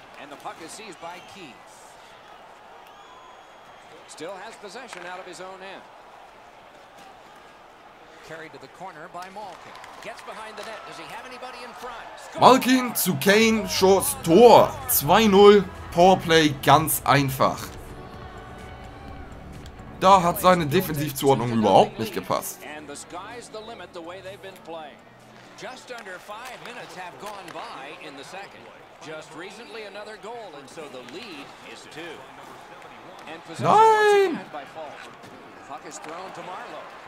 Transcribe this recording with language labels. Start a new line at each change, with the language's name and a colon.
English: And the puck is seized by Keith. Still has possession out of his own end. Carried to the corner by Malkin. Gets behind the net. Does he have anybody in front?
German: Malkin zu Kane, Schuss, Tor. 2-0, Powerplay, ganz einfach. Da hat seine Defensivzuordnung überhaupt nicht gepasst.
English: And the sky's the limit the way they've been playing. Just under 5 minutes have gone by in the second. Just recently another goal, and so the lead is two. And possession by Falk. Puck is thrown to Marlowe.